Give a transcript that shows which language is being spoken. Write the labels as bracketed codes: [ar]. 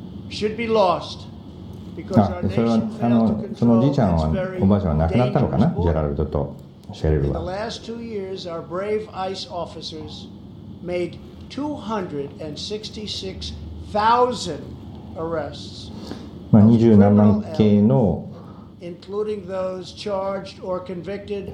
[en] should be lost because our nation failed to control [ja] おばあちゃんは亡くなったのかな。ジェラルドとシェレルは。 [en] In the last 2 years, our brave ICE officers made 266,000 arrests. [ja] まあ二十何万件の [en] including those charged or convicted,